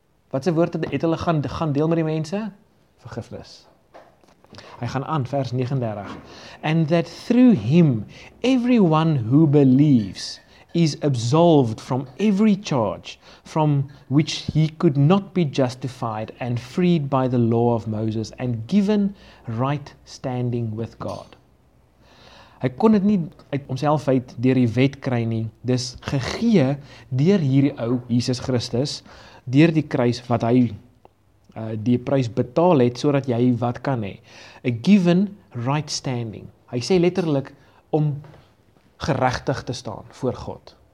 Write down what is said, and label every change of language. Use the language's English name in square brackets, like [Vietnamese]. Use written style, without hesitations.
[Afrikaans] Wat se woord het hulle gaan deel met die mense? Vergifnis. Hy gaan aan, vers 39. [English] And that through him, everyone who believes is absolved from every charge from which he could not be justified and freed by the law of Moses and given right standing with God. [Afrikaans] Hy kon dit nie uit homself uit deur die wet kry nie. Dis gegee deur hierdie ou Jesus Christus, deur die kruis wat hy die prys betaal het, sodat jy wat kan hê. [English] A given right standing. [Afrikaans] Hy sê letterlik om geregtig te staan voor God.